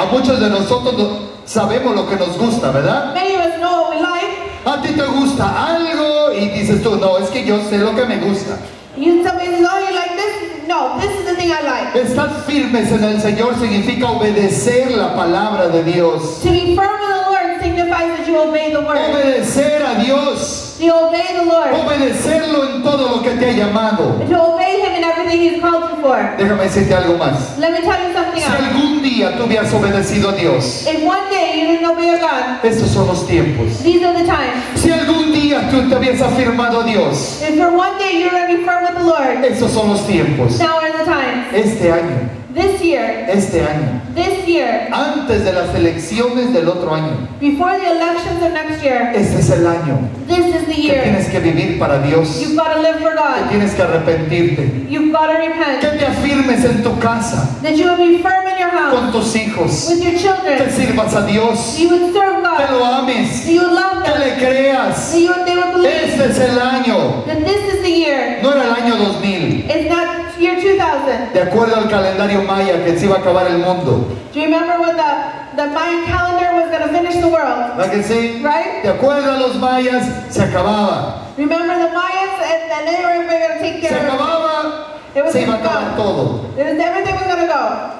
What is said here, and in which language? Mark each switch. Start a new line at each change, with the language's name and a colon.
Spanish: A muchos de nosotros sabemos lo que nos gusta, ¿verdad?
English: Many of us know what we like.
Spanish: A ti te gusta algo y dices tú, no, es que yo sé lo que me gusta.
English: You tell me, no, you like this? No, No, this is the thing I like.
Spanish: Estar firmes en el Señor significa obedecer la palabra de Dios.
English: To be firm in the Lord signifies that you obey the word.
Spanish: Obedecer a Dios.
English: To obey the Lord.
Spanish: Obedecerlo en todo lo que te ha llamado.
English: And to obey him in everything he's called you for.
Spanish: Déjame decirte algo más.
English: Let me tell you something else.
Spanish: Si algún día tú hubieras obedecido a Dios.
English: If one day you didn't obey God.
Spanish: Estos son los tiempos.
English: These are the times.
Spanish: Si algún día tú te hubieras afirmado a Dios.
English: If for one day you're already firm with the Lord.
Spanish: Estos son los tiempos.
English: Now are the times.
Spanish: Este año.
English: This year.
Spanish: Este año.
English: This year.
Spanish: Antes de las elecciones del otro año.
English: Before the elections of next year.
Spanish: Este es el año.
English: This is the year.
Spanish: Que tienes que vivir para Dios.
English: You've got to live for God.
Spanish: Que tienes que arrepentirte.
English: You've got to repent.
Spanish: Que te afirmes en tu casa.
English: That you will be firm in your house.
Spanish: Con tus hijos.
English: With your children.
Spanish: Que sirvas a Dios.
English: You would serve God.
Spanish: Que lo ames.
English: That you would love them.
Spanish: Que le creas.
English: That you would, they would believe.
Spanish: Este es el año.
English: That this is the year.
Spanish: No era el año 2000.
English: It's not year 2000.
Spanish: De acuerdo al calendario maya que se iba a acabar el mundo.
English: Do you remember when the Mayan calendar was going to finish the world? Like it's saying, right?
Spanish: De acuerdo a los mayas, se acababa.
English: Remember the Mayans and then they were going to take care
Spanish: se acababa,
English: of it. Was
Spanish: se iba a acabar todo.
English: It was, everything was going to go.